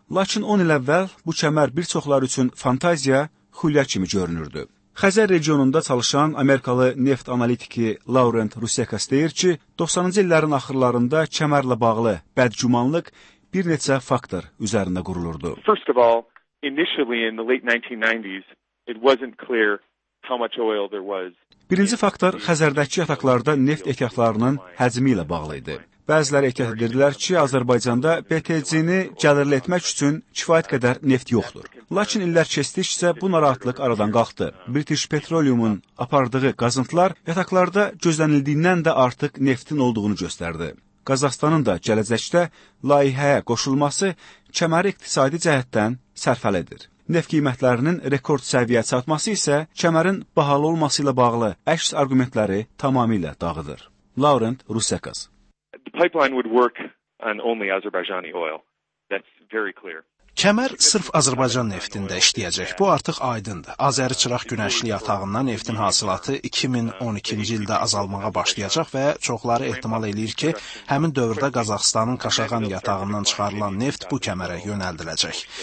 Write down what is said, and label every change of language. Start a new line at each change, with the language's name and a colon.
Azerbaijani: Lakin 10 il əvvəl bu kəmər bir çoxlar üçün fantaziya, xülya kimi görünürdü. Xəzər regionunda çalışan Amerikalı neft analitiki Laurent Rusekas deyir ki, 90-cı illərin axırlarında kəmərlə bağlı bədgümanlıq bir neçə faktor üzərində qurulurdu.
English: First of all, initially in the late 1990s, it wasn't clear how much oil there was.
Azerbaijani: Birinci faktor Xəzərdəki yataqlarda neft ehtiyatlarının həcmi ilə bağlı idi. Bəziləri etiraf edirdilər ki, Azərbaycanda BTC-ni gəlirli etmək üçün kifayət qədər neft yoxdur. Lakin illər keçdikcə bu narahatlıq aradan qalxdı. British Petroleum-un apardığı qazıntılar yataqlarda gözlənildiyindən də artıq neftin olduğunu göstərdi. Qazaxstanın da gələcəkdə layihəyə qoşulması kəməri iqtisadi cəhətdən sərfəlidir. Neft qiymətlərinin rekord səviyyə çatması isə kəmərin bahalı olması ilə bağlı əks argumentləri tamamilə dağıdır. Laurent Rusekas.
English: The pipeline would work on only Azerbaijani oil. That's very clear.
Azerbaijani: Kəmər sırf Azərbaycan neftində işləyəcək. Bu artıq aydındır. Azəri Çıraq Günəşli yatağından neftin hasilatı 2012-ci ildə azalmağa başlayacaq və çoxları ehtimal eləyir ki, həmin dövrdə Qazaxıstanın Qaşağan yatağından çıxarılan neft bu kəmərə yönəldiləcək.